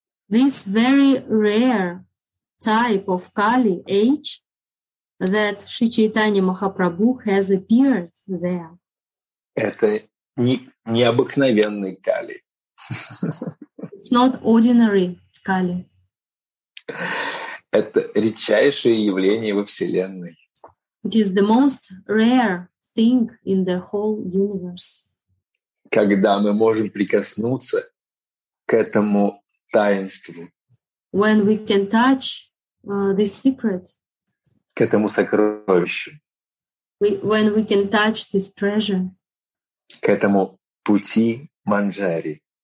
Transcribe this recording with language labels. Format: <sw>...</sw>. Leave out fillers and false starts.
<en>This very rare type of Kali age that Шри Чайтанья Махапрабху has appeared there.</en> <ru>Это необыкновенный Кали.</ru> <en>It's not ordinary Kali.</en> <ru>Это редчайшее явление во Вселенной.</ru> <en>It is the most rare thing in the whole universe.</en> <ru>Когда мы можем прикоснуться к этому таинству.</ru> <en>When we can touch this secret.</en> <ru>К этому сокровищу.</ru> <en>When we can touch this treasure.</en> <ru>К этому пути Манджари.</ru>